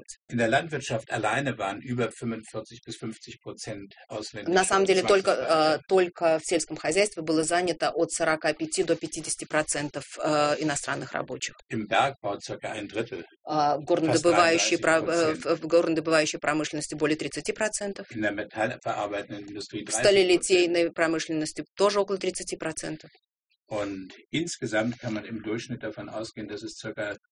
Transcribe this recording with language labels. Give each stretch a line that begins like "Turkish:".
German: In der Landwirtschaft alleine waren über 45-50% ausländische
Russian: На самом деле только в сельском хозяйстве было занято от 45 до 50% иностранных рабочих.
German: Im Bergbau circa ein Drittel.
Russian: В горнодобывающей промышленности более 30%.
German: In der metallverarbeitenden Industrie.
Russian: В сталелитейной промышленности тоже около 30%.
German: Und insgesamt kann man im Durchschnitt davon ausgehen, dass es ca.